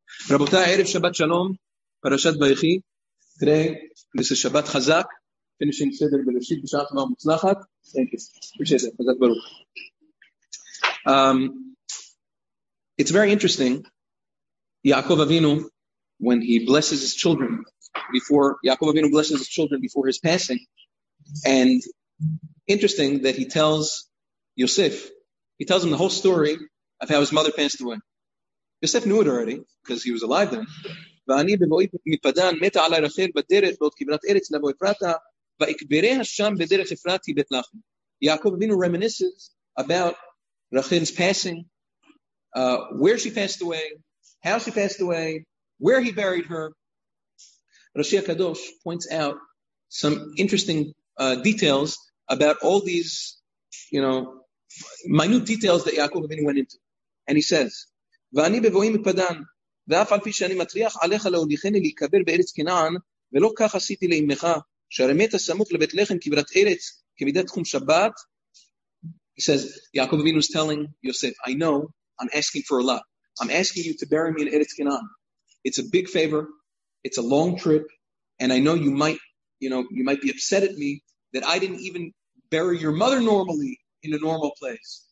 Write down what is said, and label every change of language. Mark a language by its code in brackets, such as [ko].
[he] רבותיי, ערב שבת שלום, פרשת ויחי, תראה, נעשה שבת חזק, פינישין סדר בראשית בשעה טובה מוצלחת, תודה, חזק ברוך. [en] It's very interesting, Yaakov Avinu, when he blesses his children, before, Yaakov Avinu blesses his children before his passing, and interesting that he tells Yosef, he tells him the whole story of how his mother passed away. Yosef knew it already, because he was alive then. [he] ואני בבואי מפדן מתה עלי רחל בדרך בעוד כברת ארץ לבוא אפרתה, ואקבריה שם בדרך אפרת היא בית לחם. [en] Yaakov Avinu reminisces about Rachel's passing, where she passed away, how she passed away, where he buried her. Rashi HaKadosh points out some interesting details about all these, you know, minute details that Yaakov Avinu went into. And he says, [he] ואני בבואי מפדן, ואף על פי שאני מטריח עליך להוליכני להיקבר בארץ כנען, ולא כך עשיתי לאמך, שהרי מתה סמוך לבית לחם כברת ארץ, כמידת תחום שבת. [en] He says, Yaakov Avinu is telling Yosef, I know, I'm asking for a lot. I'm asking you to bury me in Eretz Kenan. It's a big favor, it's a long trip, and I know you might be upset at me that I didn't even bury your mother normally in a normal place.